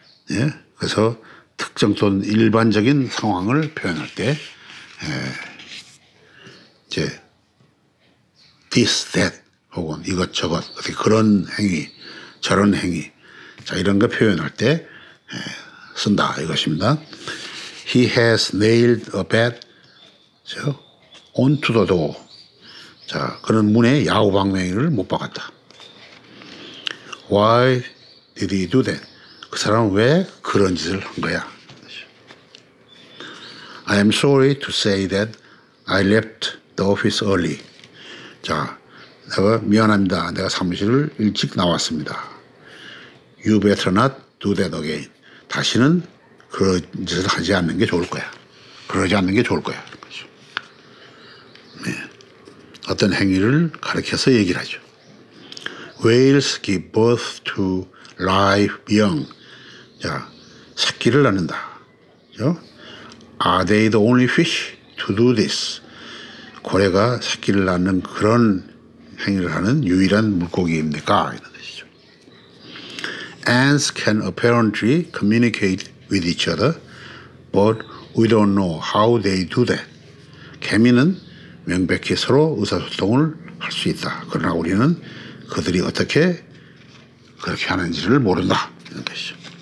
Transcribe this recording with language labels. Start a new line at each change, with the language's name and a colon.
Korean: 예, 그래서 특정 또는 일반적인 상황을 표현할 때, 예, 이제 this, that 혹은 이것저것 어떻게 그런 행위, 저런 행위, 자 이런 거 표현할 때 예, 쓴다 이것입니다.
English: He has nailed a bat onto the door.
Korean: 자, 그는 문에 야구방망이를 못 박았다.
English: Why? Did he do that?
Korean: 그 사람은 왜 그런 짓을 한 거야?
English: I am sorry to say that I left the office early.
Korean: 자, 내가 미안합니다. 내가 사무실을 일찍 나왔습니다.
English: You better not do that again.
Korean: 다시는 그런 짓을 하지 않는 게 좋을 거야. 그러지 않는 게 좋을 거야. 네. 어떤 행위를 가르쳐서 얘기를 하죠.
English: Whales give birth to Life, young.
Korean: 자, 새끼를 낳는다. 그죠?
English: Are they the only fish to do this?
Korean: 고래가 새끼를 낳는 그런 행위를 하는 유일한 물고기입니까? 이런 뜻이죠.
English: Ants can apparently communicate with each other, but we don't know how they do that.
Korean: 개미는 명백히 서로 의사소통을 할 수 있다. 그러나 우리는 그들이 어떻게 그렇게 하는지를 모른다. 이런 뜻이죠.